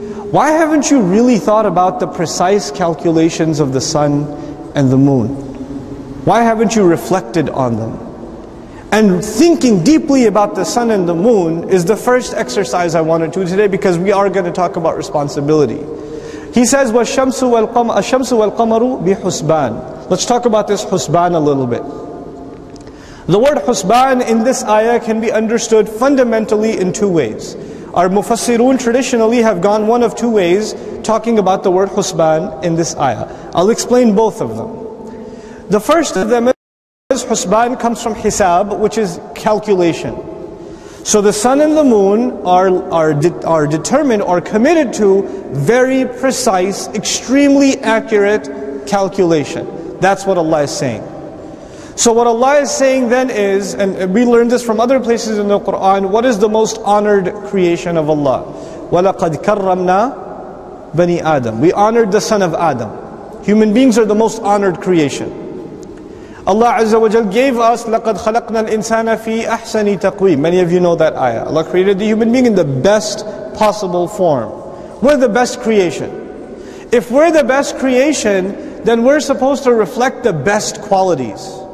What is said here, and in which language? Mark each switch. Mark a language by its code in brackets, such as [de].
[en] why haven't you really thought about the precise calculations of the sun and the moon? Why haven't you reflected on them? And thinking deeply about the sun and the moon is the first exercise I want to do today, because we are going to talk about responsibility. He says, [ar] وَالشَّمْسُ وَالْقَمَرُ بِحُسْبَانِ. [en] Let's talk about this husban a little bit. The word husban in this ayah can be understood fundamentally in two ways. Our mufassirun traditionally have gone one of two ways talking about the word husban in this ayah. I'll explain both of them. The first of them is husban comes from hisab, which is calculation. So the sun and the moon are determined or committed to very precise, extremely accurate calculation. That's what Allah is saying. So what Allah is saying then is, and we learned this from other places in the Quran, what is the most honored creation of Allah? [ar] وَلَقَدْ كَرَّمْنَا بَنِي Adam. [en] We honored the son of Adam. Human beings are the most honored creation. Allah Azza wa Jal gave us, [ar] لَقَدْ خَلَقْنَا الْإِنسَانَ فِي أَحْسَنِ تَقْوِيمٍ. [en] Many of you know that ayah. Allah created the human being in the best possible form. We're the best creation. If we're the best creation, then we're supposed to reflect the best qualities.